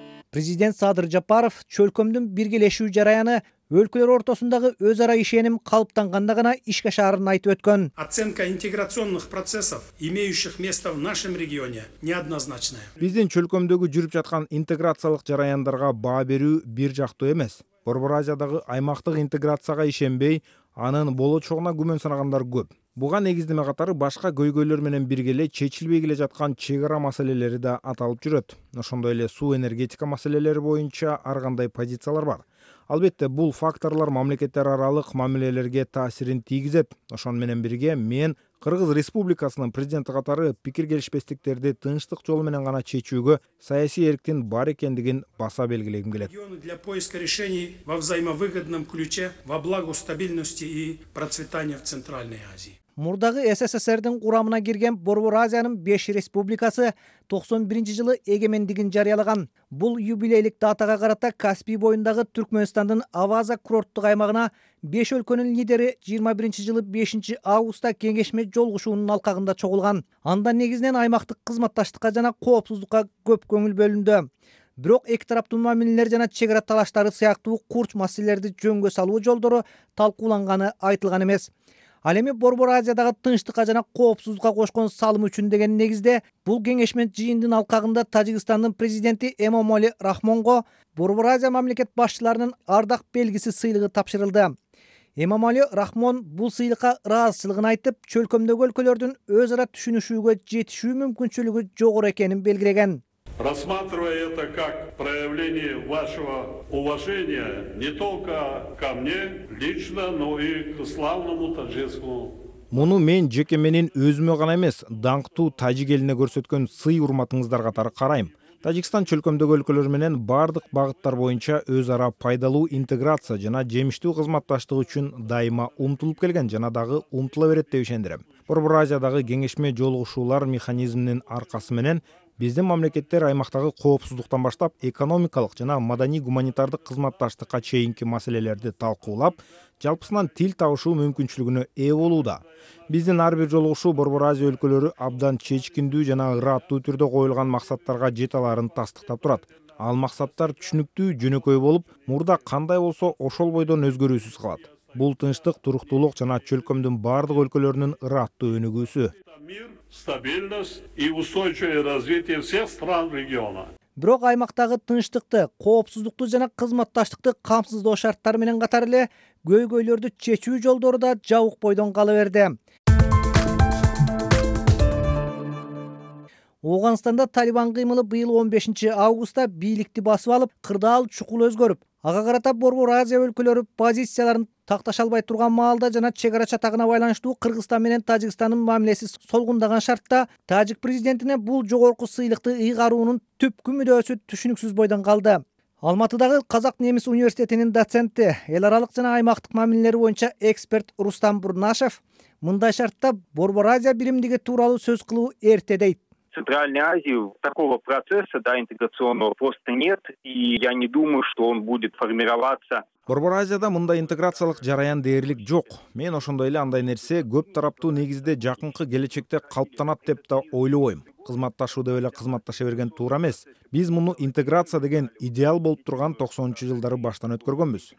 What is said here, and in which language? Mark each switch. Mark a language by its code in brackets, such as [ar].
[ky] Президент Садыр Жапаров чөлкөмдүн биргелешүү жараяны өлкөлөр ортосундагы өз ара ишеним калыптанганда гана ишке ашарын айтып өткөн. [ru] Оценка интеграционных процессов, имеющих место в нашем регионе, неоднозначная. [ky] Биздин чөлкөмдөгү жүрүп жаткан интеграциялык жараяндарга баа берүү бир жактуу эмес. Борбор Азиядагы аймактык интеграцияга ишенбей, анын болочогуна күмөн санагандар көп. Буга негиздеме катары башка көйгөйлөр менен бирге эле чечилбей келе жаткан чек ара маселелери да аталып жүрөт. Ошондой эле суу энергетика маселелери боюнча ар кандай позициялар бар. Албетте, бул факторлор мамлекеттер аралык мамилелерге таасирин тийгизет. Ошон менен бирге мен Кыргыз Республикасынын президенти катары пикир келишпестиктерди тынчтык жолу менен гана чечүүгө саясий эрктин бар экендигин баса белгилегим келет. [ru] Для поиска решений во взаимовыгодном ключе во благо стабильности и процветания в Центральной Азии. [ky] Мурдагы СССРдин курамына кирген Борбор Азиянын 5 республикасы 91 жылы эгемендигин жарыялаган. Бул юбилейлик датага карата Каспий боюндагы Түркмөнстандын Аваза курорттук аймагына 5 өлкөнүн лидери 21 жылы 5 августта кеңешме жолугушуунун алкагында чогулган. Анда негизинен аймактык кызматташтыкка жана коопсуздукка көп көңүл бөлүндү. Бирок эки тараптын мамилелер жана чек ара талаштары сыяктуу курч маселелерди жөнгө салуу жолдору талкууланганы айтылган эмес. Ал эми Борбор Азиядагы тынчтыкка жана коопсуздукка кошкон салымы үчүн деген негизде бул кеңешме жыйындын алкагында Тажикстандын президенти Эмомали Рахмонго Борбор Азия мамлекет башчыларынын ардак белгиси сыйлыгы тапшырылды. Эмомали Рахмон бул сыйлыкка ыраазычылыгын айтып, чөлкөмдөгү өлкөлөрдүн өз ара түшүнүшүүгө жетишүү мүмкүнчүлүгү жогору экенин белгилеген. [ru] Рассматривая это как проявление вашего уважения не только ко мне лично, но и к славному таджикскому. [ky] Муну мен жеке менин өзүмө гана эмес, даңктуу тажик элине көрсөткөн сый урматыңыздар катары карайм. Тажикстан чөлкөмдөгү өлкөлөр менен бардык багыттар боюнча өз ара пайдалуу интеграция жана жемиштүү кызматташтык үчүн дайыма умтулуп келген жана дагы умтула берет деп ишендирем. Борбор Азиядагы кеңешме жолугушуулар механизминин аркасы менен биздин мамлекеттер аймактагы коопсуздуктан баштап экономикалык жана маданий гуманитардык кызматташтыкка чейинки маселелерди талкуулап, жалпысынан тил табышуу мүмкүнчүлүгүнө ээ болууда. Биздин ар бир жолугушуу Борбор Азия өлкөлөрү абдан чечкиндүү жана ыраттуу түрдө коюлган максаттарга жете аларын тастыктап турат. Ал максаттар түшүнүктүү, жөнөкөй болуп, мурда кандай болсо ошол бойдон өзгөрүүсүз калат. Бул тынчтык, туруктуулук жана чөлкөмдүн бардык өлкөлөрүнүн ыраттуу өнүгүүсү. [ru] Стабильность и устойчивое развитие всех стран региона. [ky] Бирок аймактагы тынчтыкты, коопсуздукту жана кызматташтыкты камсыздоо шарттары менен катар эле көйгөйлөрдү чечүү жолдору да жабык бойдон кала берди. Ооганстанда Талибан кыймылы быйыл 15 августта бийликти басып алып, кырдаал чукул өзгөрүп, ага карата Борбор Азия өлкөлөрү позицияларын такташа албай турган маалда жана чек ара чатагына байланыштуу Кыргызстан менен Тажикстандын мамилеси солгундаган шартта Тажик президентине бул жогорку сыйлыкты ыйгаруунун түпкү мүдөөсү түшүнүксүз бойдон калды. Алматыдагы Казак-Немис университетинин доценти, эл аралык жана аймактык мамилелер боюнча эксперт Рустам Бурнашев мындай шартта Борбор Азия биримдиги тууралуу сөз кылуу эрте дейт. [ru] Центральной Азии такого процесса, да, интеграционного просто нет, и я не думаю, что он будет формироваться. [ky] Борбор Азияда мындай интеграциялык жараян дээрлик жок. Мен ошондой эле андай нерсе көп тараптуу негизде жакынкы келечекте калыптанат деп да ойлобойм. Кызматташуу деп эле кызматташа берген туура эмес. Биз муну интеграция деген идеал болуп турган 90-чу жылдары баштан өткөргөнбүз.